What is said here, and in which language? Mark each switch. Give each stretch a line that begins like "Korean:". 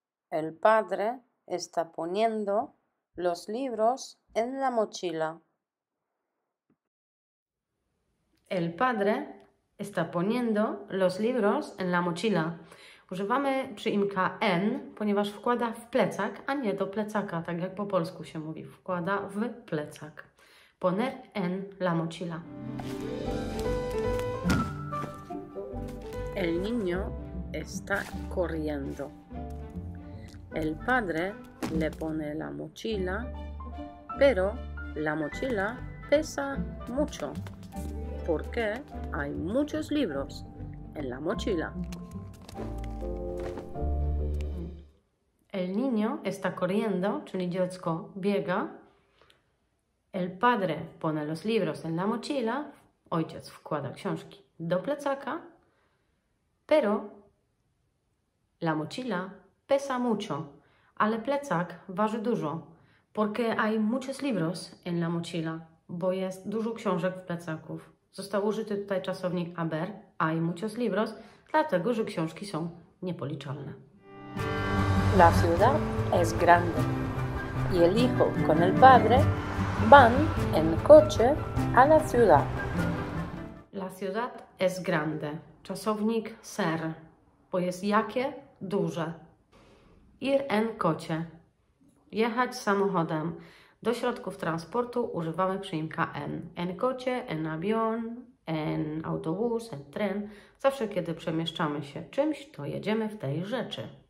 Spanish: El padre está poniendo los libros en la mochila. El padre está poniendo los libros en la mochila.
Polish: Używamy przyimka en, ponieważ wkłada w plecak, a nie do plecaka, tak jak po polsku się mówi. Wkłada w plecak.
Spanish: Poner en la mochila. El niño está corriendo. El padre le pone la mochila, pero la mochila pesa mucho porque hay muchos libros en la mochila. El niño está corriendo,
Polish: czyli dziecko biega.
Spanish: El padre pone los libros en la mochila.
Polish: Ojciec wkłada książki do plecaka.
Spanish: Pero la mochila pesa mucho.
Polish: Ale plecak waży dużo.
Spanish: Porque hay muchos libros en la mochila.
Polish: Bo jest dużo książek w plecaków. Został użyty tutaj czasownik haber,
Spanish: hay muchos libros,
Polish: dlatego że książki są niepoliczalne.
Spanish: La ciudad es grande y el hijo con el padre van en coche a la ciudad. La ciudad es grande.
Polish: Czasownik ser, bo jest jakie? Duże.
Spanish: Ir en coche.
Polish: Jechać samochodem. Do środków transportu używamy przyimka en.
Spanish: En coche, en avión, en autobús, en tren.
Polish: Zawsze kiedy przemieszczamy się czymś, to jedziemy w tej rzeczy.